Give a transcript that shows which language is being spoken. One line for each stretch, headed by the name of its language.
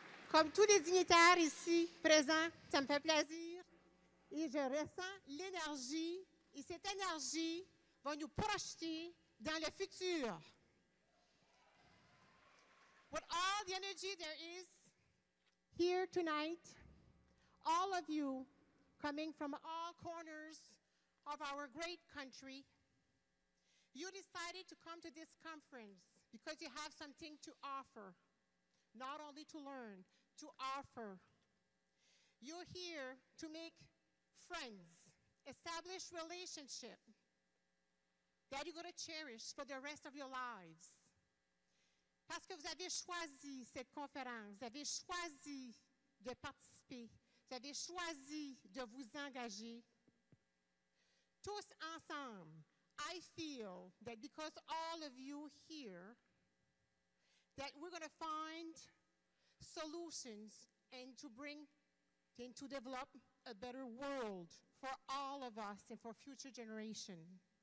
French: Comme tous les dignitaires ici présents, ça me fait plaisir. Et je ressens l'énergie. Et cette énergie va nous projeter dans le futur.
English: With all the energy there is here tonight, all of you coming from all corners of our great country, you decided to come to this conference because you have something to offer, not only to learn, to offer. You're here to make friends, establish relationship that you're going to cherish for the rest of your lives.
French: Parce que vous avez choisi cette conférence, vous avez choisi de participer, vous avez choisi de vous engager. Tous ensemble,
English: I feel that because all of you here, that we're going to find solutions and to develop a better world for all of us and for future generations.